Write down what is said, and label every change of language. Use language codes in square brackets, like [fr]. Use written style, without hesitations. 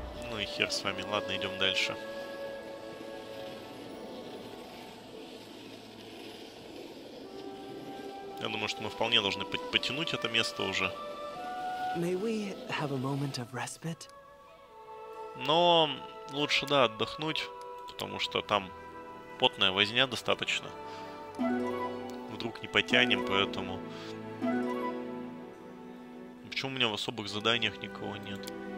[ru] Ну и хер с вами. Ладно, идем дальше. Я думаю, что мы вполне должны потянуть это место уже. [en] May we have a moment of respite? [ru] Но лучше, да, отдохнуть, потому что там потная возня достаточно. Вдруг не потянем, поэтому... Почему у меня в особых заданиях никого нет?